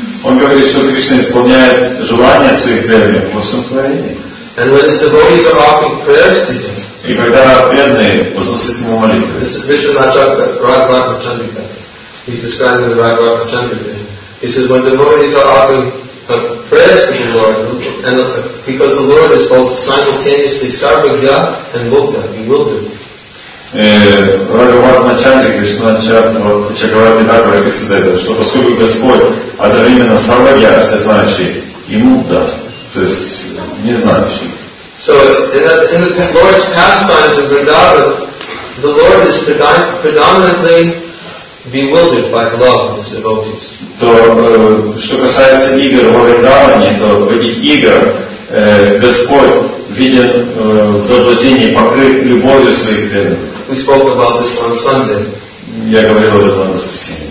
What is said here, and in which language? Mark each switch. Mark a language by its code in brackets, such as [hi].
[ru] Он говорит, что Кришна исполняет желания своих преданных во всем творении. [en] And when his devotees are offering prayers to him, [ru] и когда преданные возносят ему молитвы, [en] this is Vishwanath Chakravarti Chandrika. He's describing the Raghavarti Chandrika. He says, when devotees are offering prayers to the Lord, and because the Lord is both simultaneously Sarvajna and Mukta, he will do. [ru] Раговарна Чандри, Кришнанчарна Чакраварти Такур описывает это, что поскольку Господь одновременно Сарвагья, всезнающий, и Мукта, то есть не знающий. [en] So in the Lord's pastimes of Vrindavan, the Lord is predominantly bewildered by the love of his devotees. [ru] То что касается игр во Вриндаване, то в этих играх Господь виден в заблуждении, покрыт любовью своих преданных. [en] We spoke about this on Sunday. [ru] Я говорил об этом в воскресенье.